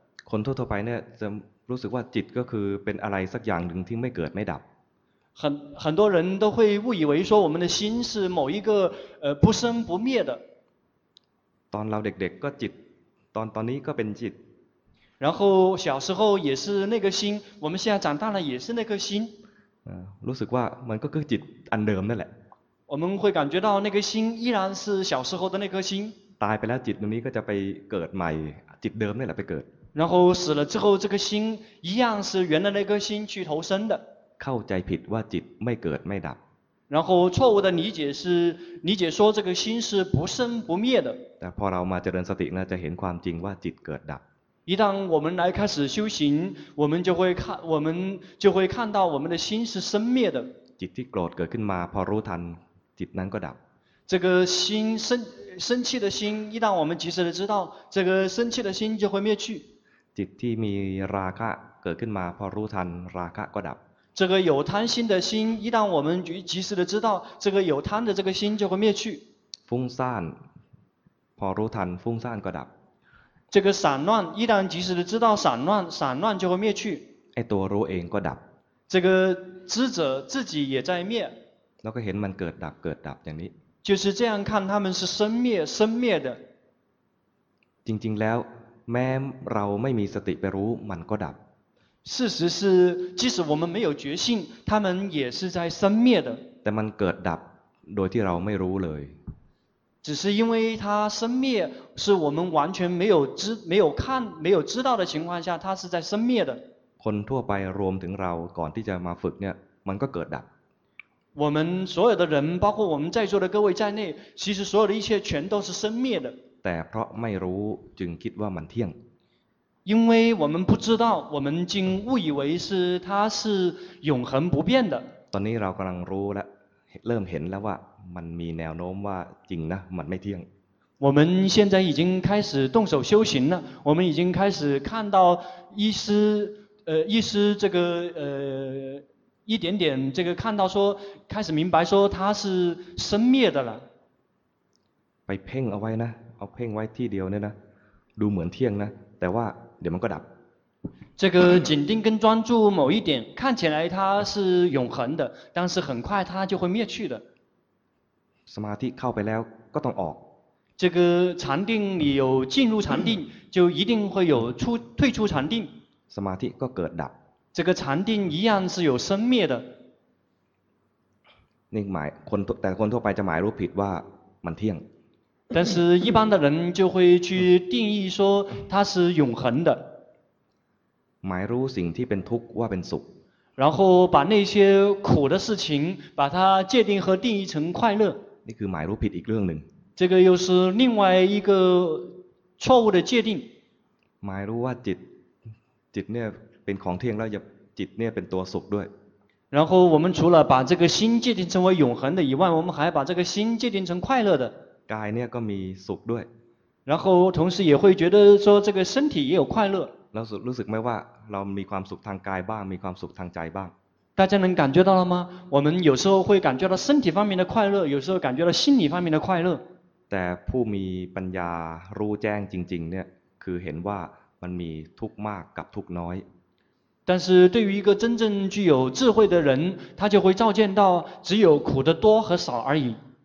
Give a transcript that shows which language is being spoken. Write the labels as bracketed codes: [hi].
[th] คนทั่วไปเนี่ยจะรู้สึกว่าจิตก็คือเป็นอะไรสักอย่างหนึ่งที่ไม่เกิดไม่ดับ [zh] 很多人都会误以为说我们的心是某一个不生不灭的 [th] ตอนเราเด็กๆก็จิตตอนนี้ก็เป็นจิต [zh] 然后小时候也是那个心我们现在长大了也是那颗心 [th] รู้สึกว่ามันก็คือจิตอันเดิมนั่นแหละ [zh] 我们会感觉到那个心依然是小时候的那颗心 [th] ตายไปแล้วจิตตรงนี้ก็จะไปเกิดใหม่จิตเดิมนั่นแหละไปเกิด [zh] 然后死了之后这颗心一样是原来那颗心去投生的 [th] เข้าใจผิดว่าจิตไม่เกิดไม่ดับ [zh] 然后错误的理解说这个心是不生不灭的 [th] แต่พอเรามาเจริญสติเราจะเห็นความจริงว่าจิตเกิดดับ [zh] 一旦我们来开始修行我们就会看我们就会看到我们的心是生灭的 [th] จิตที่โกรธเกิดขึ้นมาพอรู้ทันจิตนั้นก็ดับ [zh] 这个心生气的心一旦我们及时的知道这个生气的心就会灭去 [th] จิตที่มีราคะเกิดขึ้นมาพอรู้ทันราคะก็ดับ [zh] 这个有贪心的心一旦我们及时的知道这个有贪的这个心就会灭去 [th] ฟุ้งซ่านพอรู้ทันฟุ้งซ่านก็ดับ [zh] 这个散乱一旦及时的知道散乱就会灭去 [th] ไอ้ตัวรู้เองก็ดับ [zh] 这个知者自己也在灭 [th] แล้วก็เห็นมันเกิดดับเกิดดับอย่างนี้ [zh] 就是这样看他们是生灭的 [th] จริงๆแล้วแม้เราไม่มีสติไปรู้มันก็ดับ [zh] 事实是即使我们没有觉性他们也是在生灭的 [th] แต่มันเกิดดับโดยที่เราไม่รู้เลย [zh] 只是因为它生灭是我们完全没有知道的情况下它是在生灭的 [th] คนทั่วไปรวมถึงเราก่อนที่จะมาฝึกเนี่ยมันก็เกิดดับ [zh] 我们所有的人，包括我们在座的各位在内，其实所有的一切全都是生灭的。 [th] แต่เพราะไม่รู้จึงคิดว่ามันเที่ยง [zh] 因为我们不知道，我们竟误以为是它是永恒不变的。 [th] ตอนนี้เรากำลังรู้และเริ่มเห็นแล้วว่ามันมีแนวโน้มว่าจริงนะมันไม่เที่ยง [zh] 我们现在已经开始动手修行了，我们已经开始看到一丝这个一点点这个看到说开始明白说它是生灭的了。 [th] ไปเพ่งเอาไว้นะเอาเพ่งไว้ที่เดียวเนี่ยนะดูเหมือนเที่ยงนะแต่ว่าเดี๋ยวมันก็ดับ [zh] 这个紧盯跟专注某一点看起来它是永恒的但是很快它就会灭去的 [th] สมาธิเข้าไปแล้วก็ต้องออก [zh] 这个禅定你有进入禅定就一定会有退出禅定 [th] สมาธิก็เกิดดับ [zh] 这个禅定一样是有生灭的 [th] นี่หมายคนแต่คนทั่วไปจะหมายรู้ผิดว่ามันเที่ยง [zh] 但是一般的人就会去定义说它是永恒的 [th] หมายรู้สิ่งที่เป็นทุกข์ว่าเป็นสุข [zh] 然后把那些苦的事情把它界定和定义成快乐 [th] นี่คือหมายรู้ผิดอีกเรื่องหนึ่ง [zh] 这个又是另外一个错误的界定 [th] หมายรู้ว่าจิตเนี่ยเป็นของเที่ยงแล้วจิตเนี่ยเป็นตัวสุขด้วย [zh] 然后我们除了把这个心界定成为永恒的以外我们还把这个心界定成快乐的 [th] กายเนี่ยก็มีสุขด้วย [zh] 然后同时也会觉得说这个身体也有快乐 [th] แล้วรู้สึกไหมว่าเรามีความสุขทางกายบ้างมีความสุขทางใจบ้าง [zh] 大家能感觉到了吗我们有时候会感觉到身体方面的快乐有时候感觉到心理方面的快乐 [th] แต่ผู้มีปัญญารู้แจ้งจริงๆเนี่ยคือเห็นว่ามันมีทุกข์มากกับทุกข์น้อย [zh] 但是对于一个真正具有智慧的人他就会照见到只有苦的多和少而已